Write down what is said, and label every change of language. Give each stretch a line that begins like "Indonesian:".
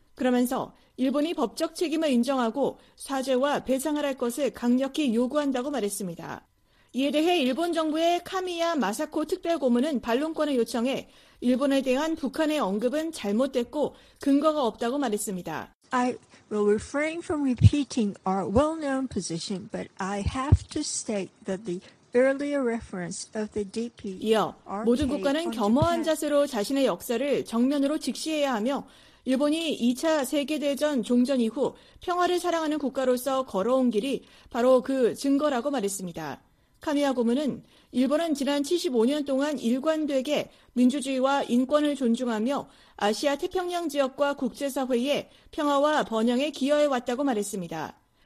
Korean: 그러면서 일본이 법적 책임을 인정하고 사죄와 배상을 할 것을 강력히 요구한다고 말했습니다. 이에 대해 일본 정부의 카미야 마사코 특별고문은 반론권을 요청해 일본에 대한 북한의 언급은 잘못됐고 근거가 없다고 말했습니다.
English: I will refrain from repeating our well-known position, but I have to state that the earlier reference of the DPRK.
Korean: 이어 모든 국가는 겸허한 자세로 자신의 역사를 정면으로 직시해야 하며 일본이 2차 세계대전 종전 이후 평화를 사랑하는 국가로서 걸어온 길이 바로 그 증거라고 말했습니다. 카미야 고문은 일본은 지난 75년 동안 일관되게 민주주의와 인권을 존중하며 아시아 태평양 지역과 국제사회에 평화와 번영에 기여해왔다고 말했습니다.